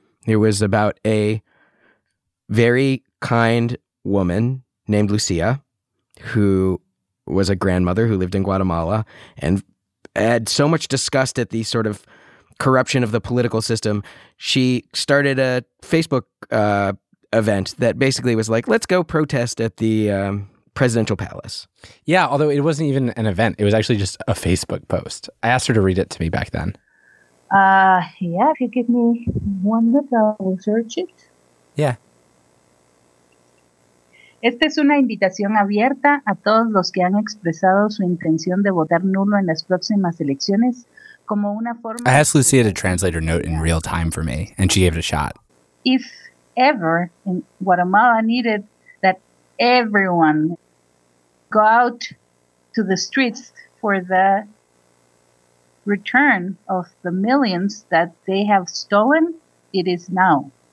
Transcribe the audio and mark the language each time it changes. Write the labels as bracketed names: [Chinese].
[English] It was about a very kind woman named Lucia who was a grandmother who lived in Guatemala and had so much disgust at the sort of corruption of the political system, she started a Facebook event that basically was like, let's go protest at the presidential palace. Yeah, although it wasn't even an event. It was actually just a Facebook post. I asked her to read it to me back then. If you give me one minute, I will search it. Yeah. [Spanish] Esta es una invitación abierta a todos los que han expresado su intención de votar nulo en las próximas elecciones como una forma. [English] I asked Lucia to translate her note in real time for me, and she gave it a shot. If ever in Guatemala needed that everyone go out to the streets for the return of the millions that they have stolen, it is now.